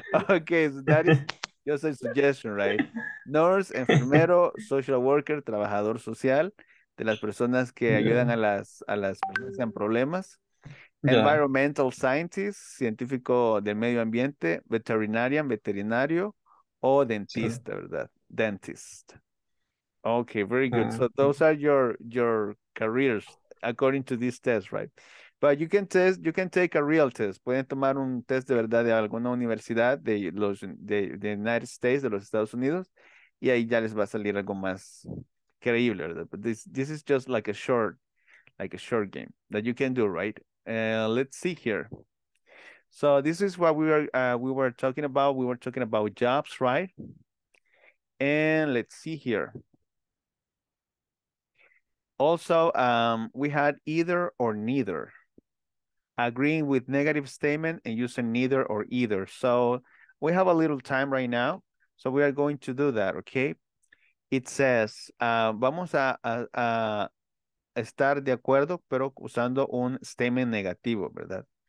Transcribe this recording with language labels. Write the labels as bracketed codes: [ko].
[en] Okay, so that is just a suggestion, right? [es] Nurse, enfermero, social worker, trabajador social, de las personas que ayudan a las personas en problemas. [en] Yeah. Environmental scientist, científico del medio ambiente, veterinarian, veterinario, o dentista, sure. ¿Verdad? Dentist. Okay, very good. So those are your careers according to this test, right? But you can take a real test. [es] Pueden tomar un test de verdad de alguna universidad de United States, de los Estados Unidos, y ahí ya les va a salir algo más Increíble, ¿verdad? [en] But this is just like a short game that you can do, right? Let's see here. So this is what we were talking about. We were talking about jobs, right? And let's see here. Also, we had either or neither. Agreeing with negative statement and using neither or either. So we have a little time right now. So we are going to do that, okay? It says, [es] vamos a estar de acuerdo, pero usando un statement negativo, ¿verdad?